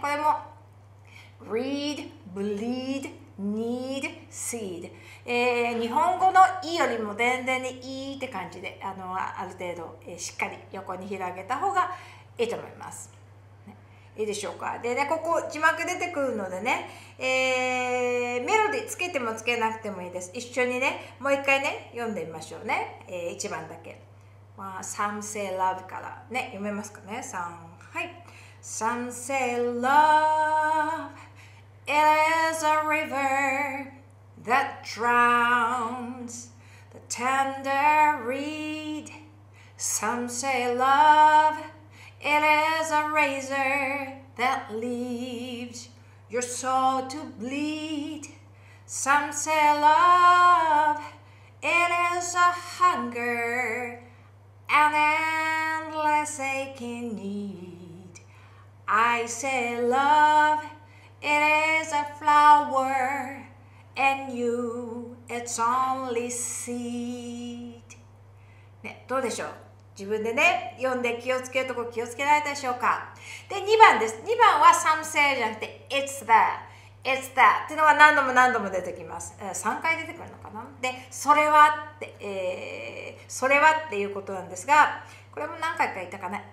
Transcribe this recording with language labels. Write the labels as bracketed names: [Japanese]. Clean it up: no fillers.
[Japanese] これも [English] read, bleed, need, seed、 [Japanese] 日本語のいいよりも全然ねいいって感じで、ある程度、しっかり横に開けた方がいいと思います、ね、いいでしょうか。で、ね、ここ字幕出てくるのでね、メロディつけてもつけなくてもいいです。一緒にねもう一回ね読んでみましょうね、1番だけ。まあ、 [English] Some say love [Japanese] からね、読めますかね。3、はい。 [English] Some say love it is a river that drowns the tender reed. Some say love it is a razor that leaves your soul to bleed. Some say love it is a hungerAn endless aching need. I say love, it is a flower, and you, it's only seed.、 [Japanese] ね、どうでしょう。自分でね、読んで気をつけるとこ気をつけられたでしょうか。で、2番です。 2番は some say じゃなくて [English] it's that, it's that [Japanese] っていうのは何度も何度も出てきます。 3回出てくるのかな。で、それはって、それはっていうことなんですが、これも何回か言ったかな。